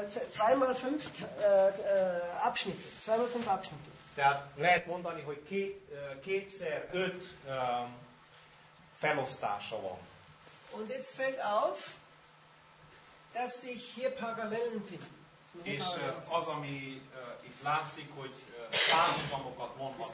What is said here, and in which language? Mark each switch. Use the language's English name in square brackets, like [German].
[German] Zweimal fünf Abschnitte. Zweimal fünf Abschnitte. [Hungarian] Tehát lehet mondani, hogy kétszer öt felosztása van. [German] Und jetzt fällt auf, dass sich hier Parallelen finden. [Hungarian] És az, ami itt látszik, hogy párhuzamokat mondhatunk.